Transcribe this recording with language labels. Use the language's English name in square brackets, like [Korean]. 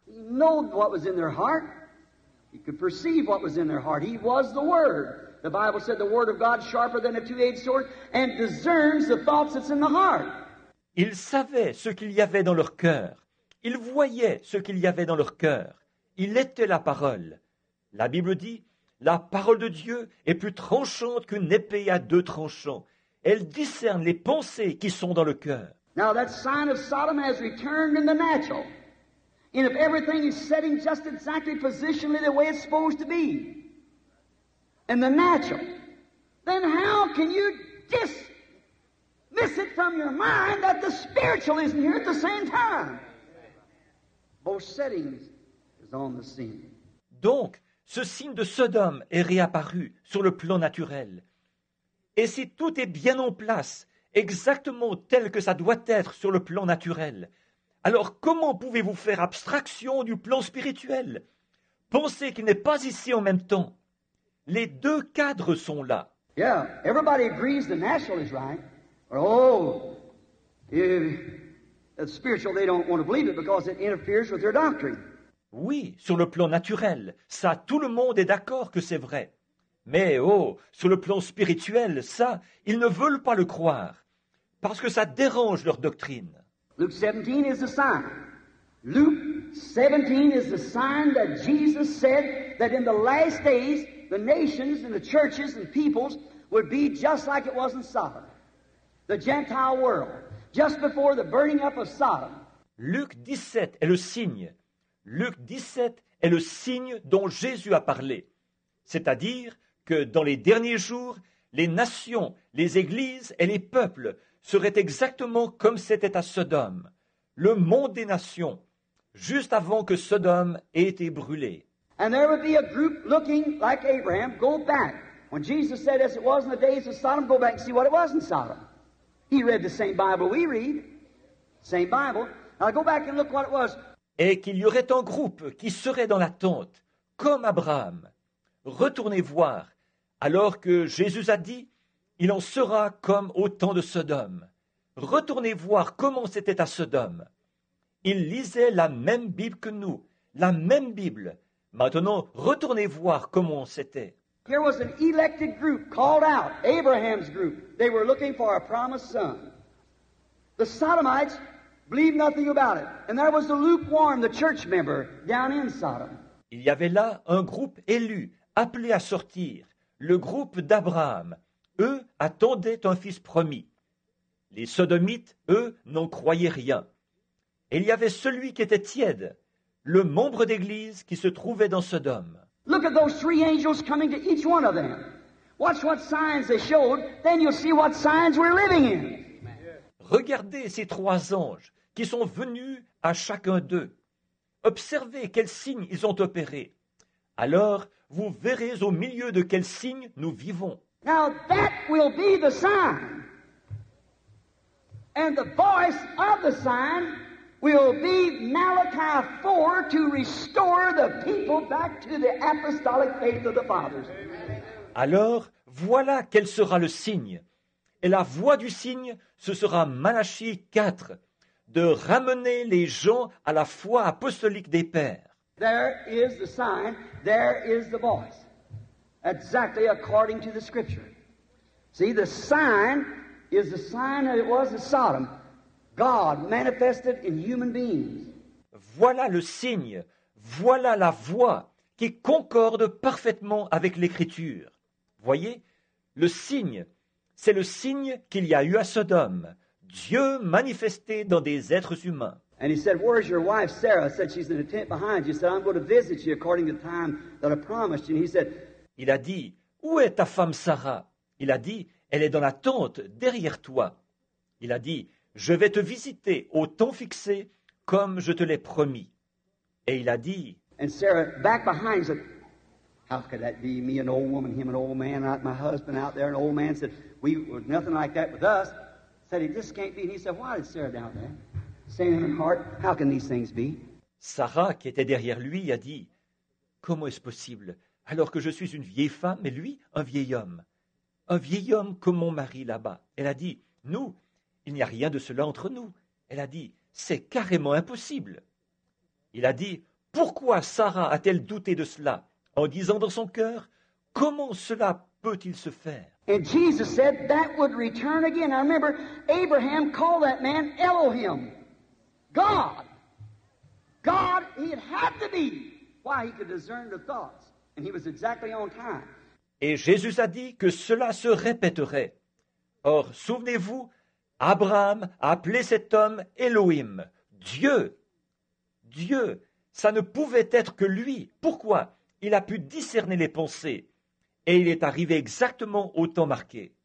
[English] He knew what was in their heart. He could perceive what was in their heart. He was the Word. The Bible said the Word of God is sharper than a two-edged sword and discerns the thoughts that's in the heart. [French] Il savait ce qu'il y avait dans leur cœur. Il voyait ce qu'il y avait dans leur cœur. Il était la parole. La Bible dit, la parole de Dieu est plus tranchante qu'une épée à deux tranchants. Elle discerne les pensées qui sont dans le cœur. [English] Now that sign of Sodom has returned in the natural. And if everything is setting just exactly positionally the way it's supposed to be, in the natural, then how can you dismiss it from your mind that the spiritual isn't here at the same time? Both settings is on the scene. [French] Donc, ce signe de Sodome est réapparu sur le plan naturel. Et si tout est bien en place, exactement tel que ça doit être sur le plan naturel, alors comment pouvez-vous faire abstraction du plan spirituel? Pensez qu'il n'est pas ici en même temps. Les deux cadres sont là. [English] Yeah, everybody agrees the natural is right. Oh, if the spiritual, they don't want to believe it because it interferes with their doctrine. [French] Oui, sur le plan naturel, ça, tout le monde est d'accord que c'est vrai. Mais, sur le plan spirituel, ça, ils ne veulent pas le croire, parce que ça dérange leur doctrine. [English] Luke 17 is the sign. Luke 17 is the sign that Jesus said that in the last days, the nations and the churches and peoples would be just like it was in Sodom, the Gentile world, just before the burning up of Sodom. [French] Luke 17 est le signe. Luc 17 est le signe dont Jésus a parlé, c'est-à-dire que dans les derniers jours, les nations, les églises et les peuples seraient exactement comme c'était à Sodome, le monde des nations, juste avant que Sodome ait été brûlé. [English] And there would be a group looking like Abraham, go back. When Jesus said, as it was in the days of Sodom, go back and see what it was in Sodom. He read the same Bible we read, same Bible. Now go back and look what it was. [French] Et qu'il y aurait un groupe qui serait dans la tente, comme Abraham. Retournez voir, alors que Jésus a dit, il en sera comme au temps de Sodome. Retournez voir comment c'était à Sodome. Ils lisaient la même Bible que nous, la même Bible. Maintenant, retournez voir comment c'était. [English] Here was an elected group called out, Abraham's group. They were looking for a promised son. The Sodomites believe nothing about it. And there was the lukewarm, the church member, down in Sodom. [French] Il y avait là un groupe élu, appelé à sortir, le groupe d'Abraham. Eux attendaient un fils promis. Les sodomites, eux, n'en croyaient rien. Et il y avait celui qui était tiède, le membre d'église qui se trouvait dans Sodome. [English] Look at those three angels coming to each one of them. Watch what signs they showed, then you'll see what signs we're living in. [French] Regardez ces trois anges qui sont venus à chacun d'eux. Observez quels signes ils ont opérés. Alors, vous verrez au milieu de quels signes nous vivons. [English] Now that will be the sign. And the voice of the sign will be Malachi 4 to restore the people back to the apostolic faith of the fathers. [French] Alors, voilà quel sera le signe. Et la voix du signe, ce sera Malachi 4, de ramener les gens à la foi apostolique des pères. [English] There is the sign, there is the voice. Exactly according to the scripture. See, the sign is the sign that it was in Sodom. God manifested in human beings. [French] Voilà le signe, voilà la voix qui concorde parfaitement avec l'Écriture. Voyez, le signe, c'est le signe qu'il y a eu à Sodome, Dieu manifesté dans des êtres humains. [English] And he said, where is your wife, Sarah? Said she's in the tent behind you. Said I'm going to visit you according to the time that I promised you. And he said, [French] il a dit, où est ta femme Sarah? Il a dit, elle est dans la tente derrière toi. Il a dit, je vais te visiter au temps fixé comme je te l'ai promis. Et il a dit, [English] and Sarah back behind said, how could that be? Me, an old woman, him, an old man, not my husband out there. An old man said, we were nothing like that with us. Said it just can't be. And he said, why did Sarah doubt that? Saying in her heart, how can these things be? [French] Sarah, qui était derrière lui, a dit, comment est-ce possible? Alors que je suis une vieille femme et lui, un vieil homme comme mon mari là-bas. Elle a dit, nous, il n'y a rien de cela entre nous. Elle a dit, c'est carrément impossible. Il a dit, pourquoi Sarah a-t-elle douté de cela? En disant dans son cœur, comment cela peut-il se faire? [English] And Jesus said that would return again. I remember Abraham called that man Elohim. God. God, he had to be. Why, he could discern the thoughts. And he was exactly on time. [French] Et Jésus a dit que cela se répéterait. Or, souvenez-vous, Abraham a appelé cet homme Elohim, Dieu. Dieu, ça ne pouvait être que lui. Pourquoi? Il a pu discerner les pensées et il est arrivé exactement au temps marqué.